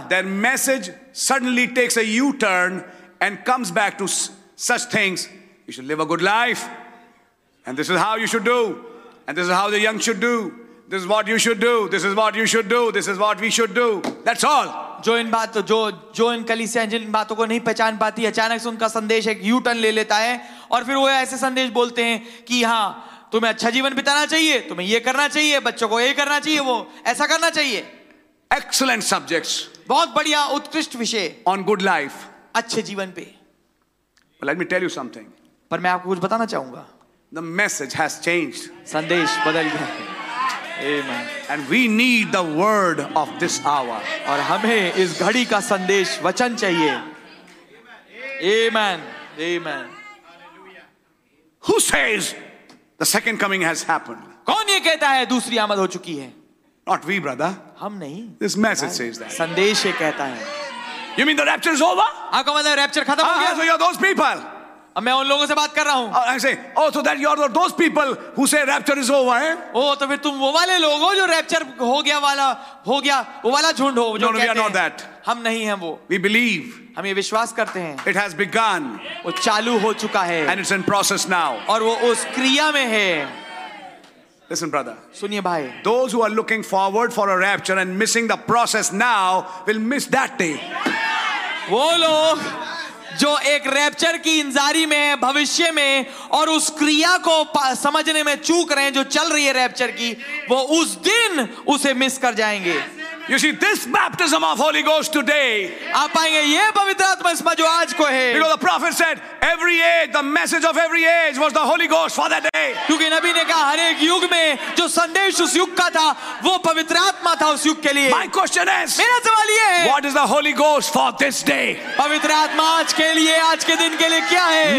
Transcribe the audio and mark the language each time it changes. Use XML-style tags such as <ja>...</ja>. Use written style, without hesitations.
<en>Their message suddenly takes a U-turn and comes back to such things You should live a good life. And this is how you should do. And this is how the young should do. This is what you should do. This is what you should do. This is what we should do. That's all.</en> <hi>जो इन बात जो जो इन कलीसिया जिन बातों को नहीं पहचान पाती अचानक से उनका संदेश एक यू टर्न ले लेता है और फिर वो ऐसे संदेश बोलते हैं कि हाँ तुम्हें अच्छा जीवन बिताना चाहिए तुम्हें ये करना चाहिए बच्चों को ये करना चाहिए वो ऐसा करना चाहिए</hi> <en>excellent subjects</en> <hi>बहुत बढ़िया उत्कृष्ट विषय</hi> <en>on good life</en> <hi>अच्छे जीवन पे</hi> <en>let me tell you something</en> <hi>पर मैं आपको कुछ बताना चाहूंगा</hi> <en>the message has changed</en> <hi>संदेश बदल गया</hi> <en>And we need the word of this hour.</en> <hi>और हमें इस घड़ी का संदेश वचन चाहिए.</hi> <en>Amen. Amen. Who says the second coming has happened?</en> <hi>कौन ये कहता है दूसरी आमद हो चुकी है?</hi> <en>Not we, brother.</en> <hi>हम नहीं.</hi> <en>This message says that.</en> <hi>संदेश ये कहता है.</hi> <en>You mean the rapture is over?</en> <hi>आपका मतलब रैप्चर खत्म हो गया?</hi> <en>So you're those people.</en> <hi>मैं उन लोगों से बात कर रहा हूँ</hi> <en>so that you are those people who say rapture is over, eh?</en> <hi>Oh, तो फिर तुम वो वाले लोग हो जो रैप्चर हो गया वो वाला झुंड हो जो</hi> <en>no,</en> <hi>कहते</hi> <en>we are not that.</en> <hi>हम नहीं हैं वो</hi> <en>We believe.</en> <hi>हम ये विश्वास करते हैं</hi> <en>It has begun.</en> <hi>वो चालू हो चुका है</hi> <en>And it's in process now.</en> <hi>और वो उस क्रिया में है</hi> <en>Listen, brother.</en> <hi>सुनिए भाई.</hi> <en>Those who are looking forward for a rapture and missing the process now will miss that day.</en> <hi>वो लोग जो एक रैप्चर की इंतजारी में है भविष्य में और उस क्रिया को समझने में चूक रहे हैं जो चल रही है रैप्चर की वो उस दिन उसे मिस कर जाएंगे</hi> <en>You see, this baptism of Holy Ghost today.</en> <hi>आप पाएंगे ये पवित्र आत्मा इसमें जो आज को है.</hi> <en>Because the prophet said, every age, the message of every age was the Holy Ghost for that day.</en> <hi>क्योंकि नबी ने कहा हर एक युग में जो संदेश उस युग का था वो पवित्र आत्मा था उस युग के लिए.</hi> <en>My question is.</en> <hi>मेरा सवाल ये है.</hi> <en>What is the Holy Ghost for this day?</en> <hi>पवित्र आत्मा आज के दिन के लिए क्या है?</hi>